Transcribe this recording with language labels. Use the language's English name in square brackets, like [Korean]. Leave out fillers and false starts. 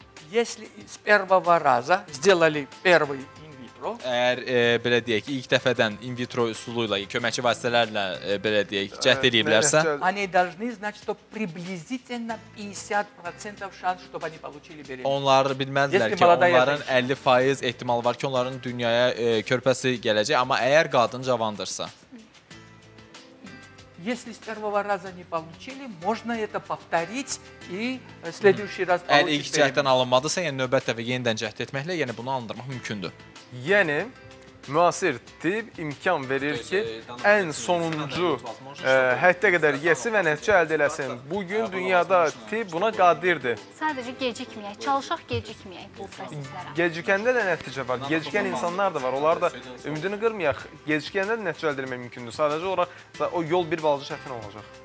[Russian] Если с первого раза сделали первый [Azerbaijani] Əgər belə deyək, ilk dəfədən in vitro üsulu ilə, köməkçi vasitələrlə belə deyək, cəhd edirlərsə, [Russian] они должны знать, что приблизительно 50% шанс, чтобы они получили беременность. [Azerbaijani] Onlar bilməlidirlər ki, onların 50% ehtimalı var ki, onların dünyaya körpəsi gələcək, amma əgər qadın cavandırsa. [Russian] Если с первого раза не получили, можно это повторить и в следующий раз получить. [Azerbaijani] Əgər ilk cəhddən alınmadısa, yəni növbət dəfə yenidən cəhd etməklə, yəni bunu alındırmaq mümkündür. Yəni, müasir tip imkan verir ki, ən sonuncu həddə qədər yesi və nəticə əldə eləsin. Bugün dünyada tip buna qadirdir. Sadəcə gecikməyək, çalışaq gecikməyək. Gecikəndə də nəticə var, gecikən insanlar da var. Onlar da ümidini qırmayaq, gecikəndə də nəticə əldə eləmək mümkündür. Sadəcə olaraq o yol bir balaca çətin olacaq.